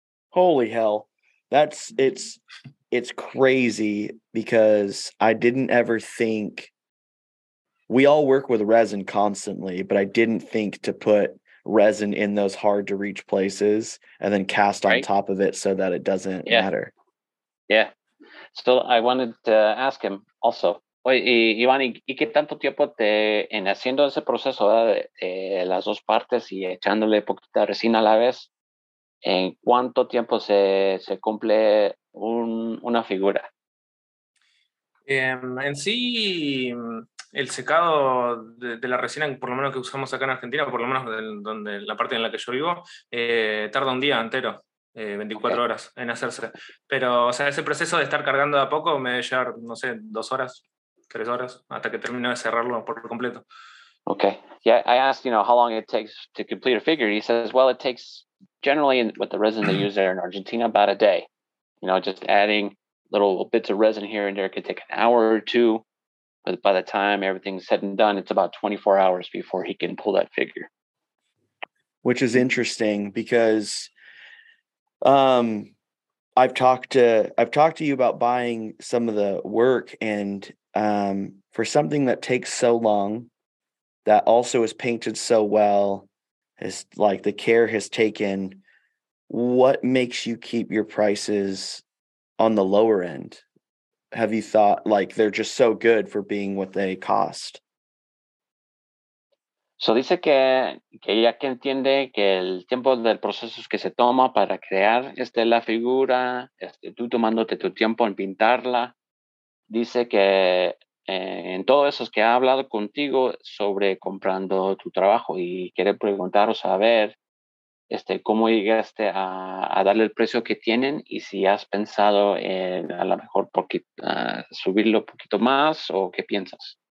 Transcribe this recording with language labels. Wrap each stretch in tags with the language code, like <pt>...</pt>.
<en>Holy hell, it's crazy, because I didn't ever think, we all work with resin constantly, but I didn't think to put resin in those hard to reach places and then cast on top of it so that it doesn't matter. Yeah. So I wanted to ask him also,</en> <es>oye, Iván, ¿y qué tanto tiempo te en haciendo ese proceso de las dos partes y echándole poquita resina a la vez? ¿En cuánto tiempo se cumple una figura? En sí, el secado de la resina, por lo menos que usamos acá en Argentina, por lo menos donde la parte en la que yo vivo, tarda un día entero. 24 horas en hacerse. Pero, o sea, ese proceso de estar cargando de a poco me debe llevar, no sé, 2 horas, 3 horas, hasta que termino de cerrarlo por completo.</es> <en>Okay. Yeah, I asked, you know, how long it takes to complete a figure. He says, well, it takes generally with the resin they use there in Argentina, about a day. You know, just adding little bits of resin here and there could take an hour or two. But by the time everything's said and done, it's about 24 hours before he can pull that figure. Which is interesting, because I've talked to you about buying some of the work, and for something that takes so long, that also is painted so well, is like the care has taken, what makes you keep your prices on the lower end? Have you thought, like, they're just so good for being what they cost?</en> <es>So dice que ya que entiende que el tiempo del proceso que se toma para crear la figura, tú tomándote tu tiempo en pintarla, dice que en todo eso es que ha hablado contigo sobre comprando tu trabajo y quiere preguntar o saber cómo llegaste a darle el precio que tienen y si has pensado en a lo mejor subirlo un poquito más o qué piensas.</es>